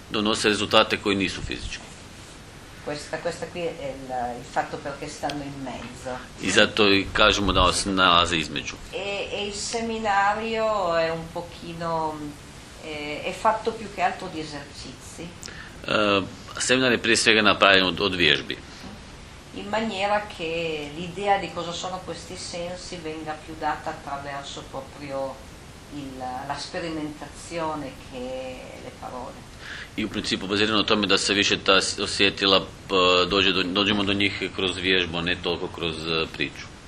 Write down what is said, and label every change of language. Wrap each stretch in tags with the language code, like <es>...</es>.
<hr>Donose rezultate koji nisu fizički.</hr> <it>Questa qui è il fatto perché stanno in mezzo.</it> <hr>I zato i kažemo da se nalaze između.</hr> <it>E il seminario è un pochino, è fatto più che altro di esercizi.</it> <hr>Seminar je prije svega napravljen od vježbi.</hr> <it>In maniera che l'idea di cosa sono questi sensi venga più data attraverso proprio la sperimentazione che le parole.</it> <hr>I u principu bazirano na tome da se više ta osjetila dođemo do njih kroz vježbu, ne toliko kroz priču.</hr>